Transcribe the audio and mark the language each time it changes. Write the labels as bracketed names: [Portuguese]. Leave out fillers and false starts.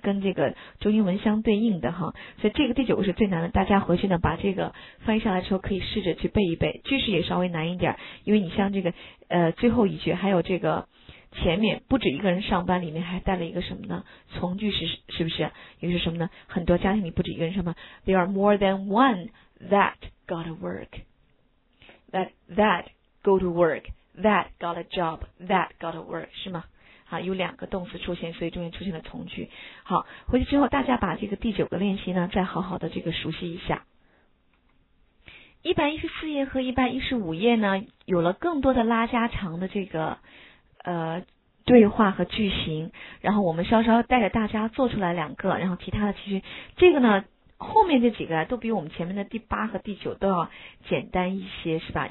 [Chinese] 跟这个中英文相对应的哈。所以这个第九个是最难的，大家回去呢把这个翻译下来之后，可以试着去背一背，句式也稍微难一点，因为你像这个最后一句，还有这个前面不止一个人上班，里面还带了一个什么呢？从句是不是？也是什么呢？很多家庭里不止一个人上班。 [English] There are more than one that got a work, that go to work, that got a job, that got a work, [Chinese] 是吗？好，有两个动词出现，所以中间出现了从句。好，回去之后大家把这个第九个练习呢，再好好的这个熟悉一下。 114页和115页呢，有了更多的拉加长的这个对话和句型，然后我们稍稍带着大家做出来两个，然后其他的其实这个呢，后面这几个都比我们前面的第八和第九都要简单一些，是吧？